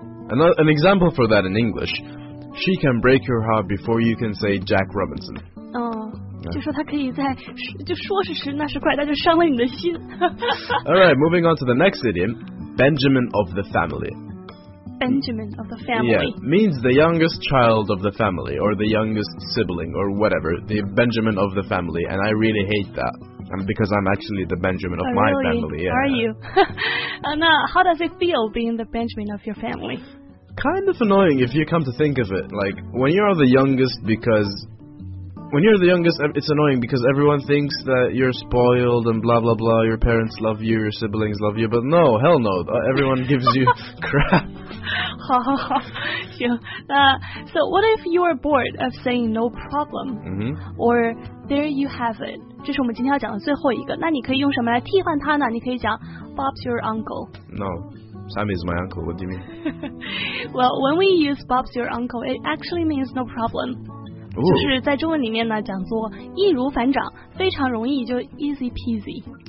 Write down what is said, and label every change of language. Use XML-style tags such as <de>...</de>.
<en>An example for that in English. She can break your heart before you can say Jack Robinson.</en> <zh>就说她可以在就说时迟那时快，但就伤了你的心。</zh> <en>Alright, moving on to the next idiom, Benjamin of the family. Benjamin of the family. Yeah, means the youngest child of the family, or the youngest sibling, or whatever. The Benjamin of the family, and I really hate that. Because I'm actually the Benjamin of my family. Really? Are you? How does it feel being the Benjamin of your family? Kind of annoying, if you come to think of it. Like, when you're the youngest, because... When you're the youngest, it's annoying because everyone thinks that you're spoiled and blah, blah, blah. Your parents love you, your siblings love you. But no, hell no. Everyone gives you crap.</en> <zh>好行。</zh> <en>So what if you are bored of saying no problem? Or there you have it.</en> <zh>这是我们今天要讲的最后一个。那你可以用什么来替换它呢？你可以讲 Bob's your uncle.</zh> <en>No. Sam is my uncle. What do you mean? Well, when we use Bob's your uncle, it actually means no problem. Ooh.</en> <zh>就是在中文里面呢，讲做易如反掌，非常容易，就 easy peasy.</zh>